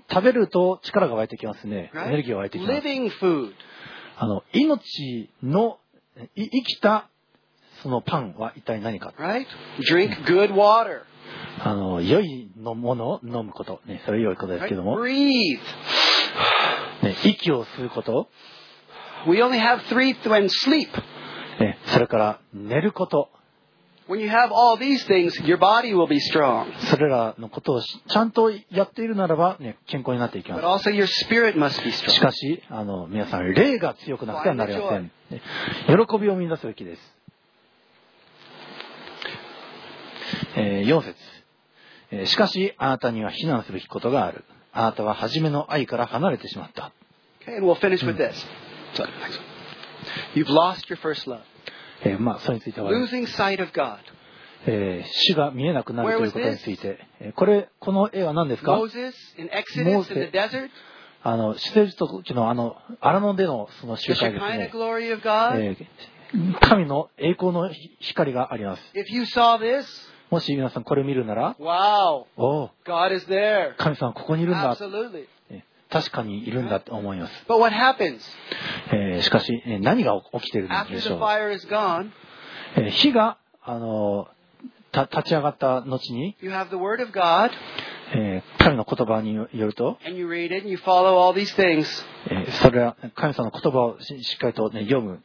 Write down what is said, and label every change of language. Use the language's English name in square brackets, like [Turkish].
[Japanese] 食べると力が湧いてきますね。エネルギーが湧いてきます。 [English] Living food. [Japanese] 命の生きたそのパンは一体何か。 [English] Right? Drink good water. [Japanese] 良いのものを飲むこと、ね、それは良いことですけども、 [English] right. [Japanese] ね、息を吸うこと [English] We only have three when sleep.、 [Japanese] ね、それから寝ること [English] When you have all these things, your body will be strong. [Japanese] それらのことをちゃんとやっているならば、ね、健康になっていきます。 [English] But also your spirit must be strong. [Japanese] しかし皆さん霊が強くなくてはなりません、ね、喜びを見出すべきです4節しかしあなたには非難すべきことがあるあなたは初めの愛から離れてしまった [English] okay, and we'll finish with this. You've lost your first love. [Japanese] まあそれについては [English] Losing sight of God. [Japanese] 主が見えなくなるということについてこれこの絵は何ですか [English] Moses in Exodus in the desert. [Japanese] 出エジプト時の荒野での その集会ですね [English] The Shekinah glory of God. [Japanese] 神の栄光の光があります [English] If you saw this, [Japanese] もし皆さんこれを見るなら、 wow. oh. [English] God is there. [Japanese] 神様ここにいるんだ、 [English] Absolutely. [Japanese] 確かにいるんだと思います。 [English] But what happens? [Japanese] しかし何が起きているんでしょう [English] After the fire is gone, [Japanese] 火が立ち上がった後に [English] you have the word of God, [Japanese] 神の言葉によると [English] and you read it and you follow all these things. [Japanese] それは神様の言葉をしっかりと、ね、読む。